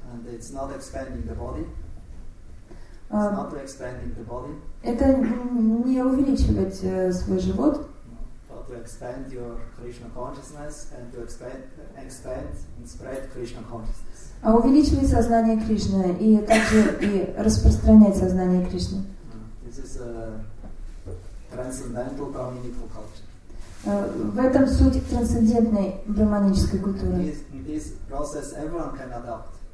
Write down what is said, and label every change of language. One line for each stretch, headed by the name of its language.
English: It's not expanding the body. It's not expanding the body.
Russian: Это не увеличивать свой живот.
English: But to expand your Krishna consciousness and to expand and spread Krishna consciousness.
Russian: А увеличивать сознание Кришны и также и распространять сознание Кришны.
English: This is a transcendental brahminical culture.
Russian: В этом суть трансцендентной брахманической культуры.
English: This process everyone can adopt.